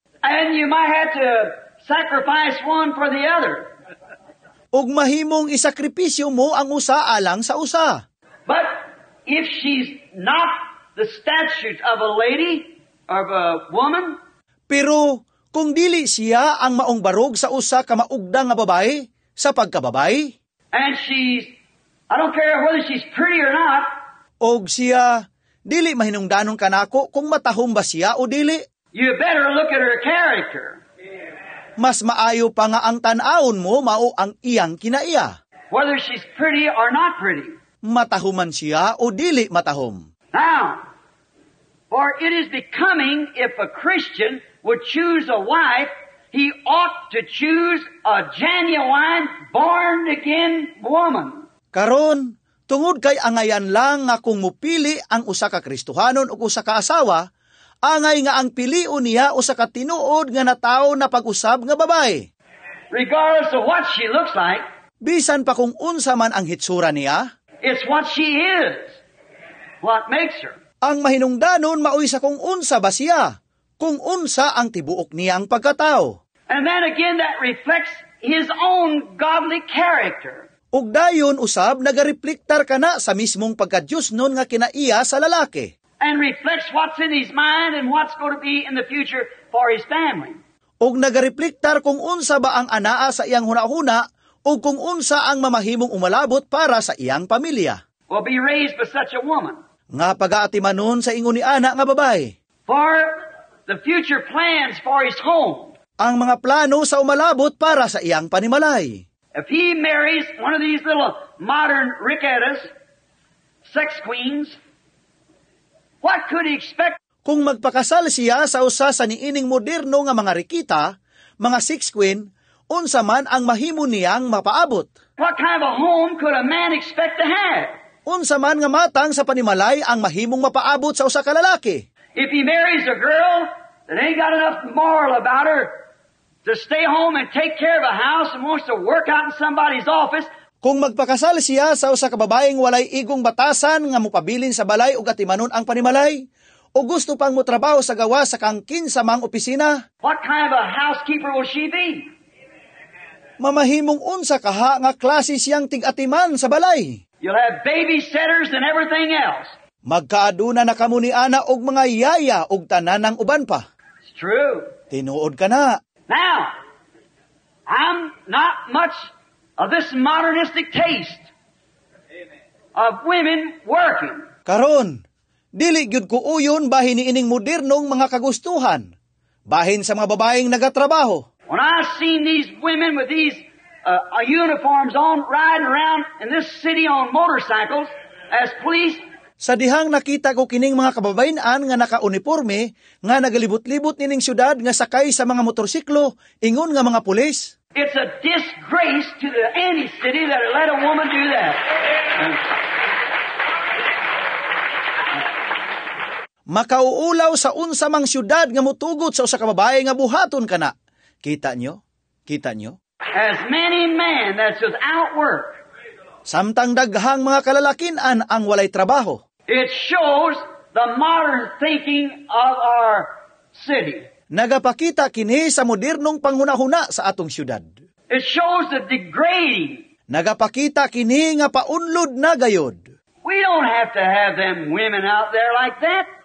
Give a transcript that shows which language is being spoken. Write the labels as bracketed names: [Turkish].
[English] And you might have to sacrifice one for the other. [Cebuano] Ug mahimong isakripisyo mo ang usa alang sa usa. [English] But if she's not the statue of a lady or a woman, [Cebuano] pero kung dili siya ang maong barug sa usa ka maugdang nga babae sa pagkababae, [English] and she's I don't care whether she's pretty or not. [Cebuano] Og siya, dili mahinungdanong kanako kung matahom ba siya o dili. [English] You better look at her character. [Cebuano] Mas maayo pa nga ang tanawon mo mao ang iyang kinaiya. [English] Whether she's pretty or not pretty. [Cebuano] Matahuman siya o dili matahom. [English] Now, for it is becoming if a Christian would choose a wife, he ought to choose a genuine born again woman. [Cebuano] Karon, tungod kay angayan lang nga kung mupili ang usa ka Kristohanon o usa ka asawa, angay nga ang pilion niya usa ka tinuod nga natawo na pag-usab nga babae. [English] Regardless of what she looks like, [Cebuano] bisan pa kung unsa man ang hitsura niya, [English] it's what she is, what makes her. [Cebuano] Ang mahinungdanon mauy sa kung unsa ba siya, kung unsa ang tibuok niya ang pagkatao. [English] And then again, that reflects his own godly character. [Cebuano] Ug dayon usab nagareflektar kana sa mismong pagka-Dios noon nga kinaiya sa lalaki. [English] And reflects what's in his mind and what's going to be in the future for his family. [Cebuano] Ug nagareflektar kung unsa ba ang anaa sa iyang hunahuna ug kung unsa ang mamahimong umalabot para sa iyang pamilya. [English] Will be raised by such a woman. [Cebuano] Nga pag-aati man noon sa inguni ana nga babae. [English] For the future plans for his home. [Cebuano] Ang mga plano sa umalabot para sa iyang panimalay. [English] If he marries one of these little modern Riquettas, sex queens, what could he expect? [Cebuano] kung magpakasal siya sa usa sa niining moderno nga mga rekita, mga six queen, unsa man ang mahimo niyang mapaabot. [English] What kind of home could a man expect to have? [Cebuano] Unsa man nga matang sa panimalay ang mahimong mapaabot sa usa ka lalaki? [English] If he marries a girl that ain't got enough moral about her to stay home and take care of a house and wants to work out in somebody's office. [Cebuano] Kung magpakasal siya sa usa ka babaeng walay igong batasan nga mupabilin sa balay ug atimanon ang panimalay, o gusto pang mutrabaho sa gawa sa kang kinsamang opisina? [English] What kind of a housekeeper will she be? [Cebuano] Mamahimong unsa kaha nga klase siyang tig-atiman sa balay? [English] You'll have babysitters and everything else. [Cebuano] Magkaaduna na kamo ni ana og mga yaya og tanan ng uban pa. [English] It's true. [Cebuano] Tinuod ka na. [English] Now, I'm not much of this modernistic taste of women working. [Cebuano] Karon, dili gyud ko uyon bahin ni ining modernong mga kagustuhan, bahin sa mga babaeng nagatrabaho. [English] When I seen these women with these uniforms on, riding around in this city on motorcycles as police. [Cebuano] Sa dihang nakita ko kining mga kababayenan nga naka-uniforme nga nagalibot-libot nining syudad nga sakay sa mga motorsiklo ingon nga mga pulis. [English] It's a disgrace to the any city that let a woman do that. [Cebuano] Makauulaw sa unsa mang syudad nga mutugot sa usa ka babaye nga buhaton kana. Kita nyo? Kita nyo? [English] As many men that's without work. [Cebuano] Samtang daghang mga kalalakinan ang walay trabaho. [English] It shows the modern thinking of our city. [Cebuano] Nagapakita kini sa modernong pangunahuna sa atong syudad. [English] It shows the degrading. [Cebuano] Nagapakita kini nga paunlod na gayod. [English] We don't have to have them women out there like that.